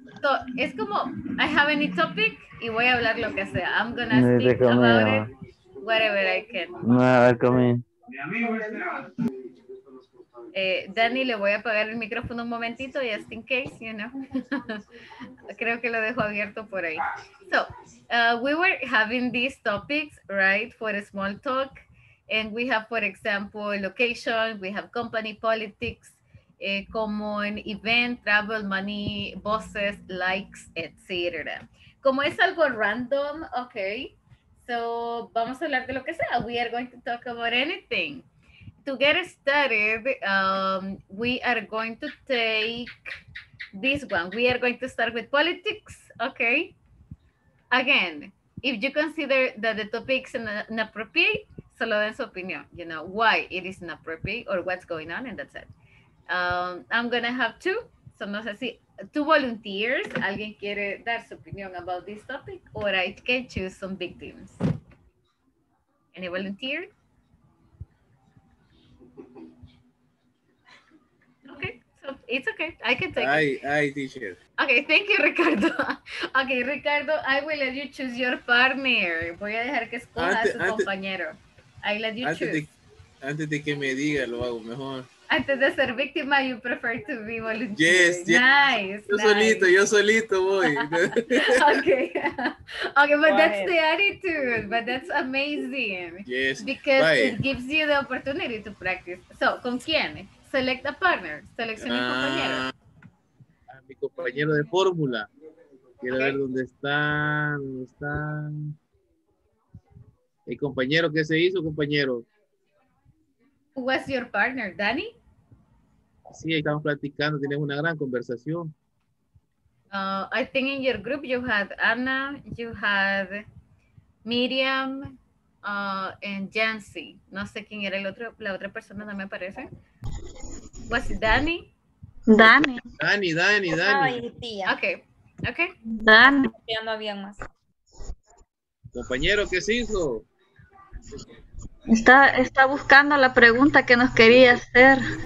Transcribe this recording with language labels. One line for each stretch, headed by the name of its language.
Spanish: So, es como,
English: I have any topic
Spanish: y voy a hablar lo que sea.
English: I'm gonna speak about it, whatever I can. No, come in.
Spanish: Dani, le voy a apagar el micrófono un momentito,
English: just in case, you know.
Spanish: Creo que lo dejo abierto por ahí.
English: So, we were having these topics, right, for a small talk. And we have, for example, location, we have company politics, common event, travel, money, bosses, likes, etc.
Spanish: Como es algo random, okay, so vamos a hablar de lo que sea.
English: We are going to talk about anything. To get started, we are going to take this one. We are going to start with politics, okay? Again, if you consider that the topic's inappropriate,
Spanish: solo den su opinión,
English: you know, why it is not appropriate or what's going on, and that's it. I'm gonna have two, so
Spanish: no sé si,
English: two volunteers,
Spanish: alguien quiere dar su opinión
English: about this topic, or I can choose some victims. Any volunteer? Okay, so it's okay, I can take it. I teach it. Okay, thank you, Ricardo. Okay, Ricardo, I will let you choose your partner.
Spanish: Voy a dejar que escoja a su compañero.
English: I let you
Spanish: antes de que me diga, lo hago mejor. Antes de ser víctima,
English: you prefer to be voluntary. Yes, yes. Nice.
Spanish: Yo solito voy.
English: Okay. Okay, but that's the attitude. But that's amazing. Yes. Because it gives you the opportunity to practice.
Spanish: So, ¿con quién?
English: Select a partner.
Spanish: Seleccione a compañero. A mi compañero de fórmula. Quiero ver dónde están. ¿Dónde están? El compañero, ¿qué se hizo, compañero?
English: Who was your partner, Danny?
Spanish: Sí, estamos platicando, tenemos una gran conversación.
English: I think in your group you had Anna, you had Miriam, and Jancy.
Spanish: No sé quién era el otro, la otra persona no me aparece.
English: Was it Danny? Danny. Okay. Danny.
Spanish: Ya no habían más. Compañero, ¿qué se hizo? Está buscando la pregunta que nos quería hacer.